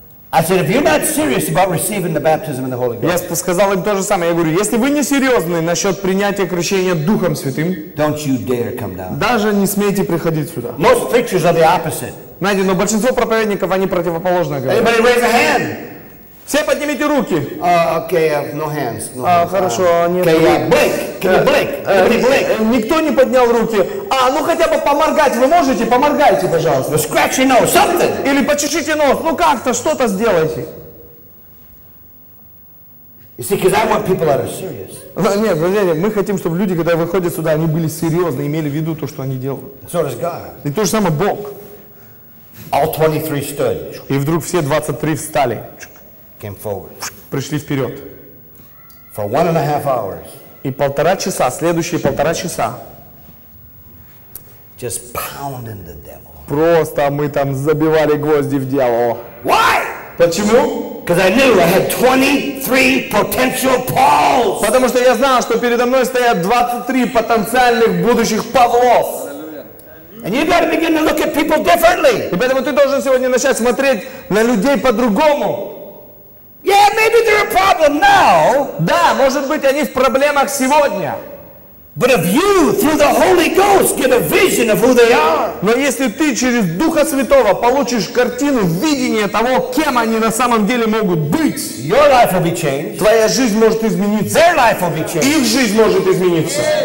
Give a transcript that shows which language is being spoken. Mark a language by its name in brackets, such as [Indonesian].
[English] I said, if you're not serious about receiving the baptism in the Holy Ghost, [Russian] я сказал им то же самое. Я говорю, если вы не серьезны насчет принятия крещения Духом Святым, [English] don't you dare come down. [Russian] Даже не смейте приходить сюда. [English] Most preachers are the opposite. [Russian] Знаете, но большинство проповедников, они противоположно говорят. [English] Anybody raise a hand? [Russian] Все поднимите руки. [English] Okay, no hands. No hands. [Russian] Хорошо, нет. [English] Can you blink? Can you blink? Everybody blink. [Russian] Никто не поднял руки. А, ну хотя бы поморгать вы можете? Поморгайте, пожалуйста. [English] No, scratch your nose, something. [Russian] Или почешите нос. Ну как-то, что-то сделайте. [English] You see, because I want people that are serious. [Russian] Нет, друзья, мы хотим, чтобы люди, когда выходят сюда, они были серьезны, имели в виду то, что они делают. [English] So does God. [Russian] И то же самое Бог. [English] All 23 stood. [Russian] И вдруг все 23 встали. [English] Came forward. [Russian] Пришли вперед. [English] For one and a half hours. [Russian] И полтора часа, следующие полтора часа. [English] Just pounding the devil. [Russian] Просто мы там забивали гвозди в дьявола. [English] Why? [Russian] Почему? [English] Because I knew I had 23 potential Pauls. [Russian] Потому что я знал, что передо мной стоят 23 потенциальных будущих Павлов. [English] And you gotta begin to look at people differently. [Russian] И поэтому ты должен сегодня начать смотреть на людей по-другому. [English] Yeah, maybe they're a problem now. [Russian] Да, может быть, они в проблемах сегодня. [English] But if you, through the Holy Ghost, get a vision of who they are. [Russian] Но если ты через Духа Святого получишь картину, видение того, кем они на самом деле могут быть, [English] your life will be changed. [Russian] Твоя жизнь может измениться. [English] Their life will be changed. [Russian] Их жизнь может измениться.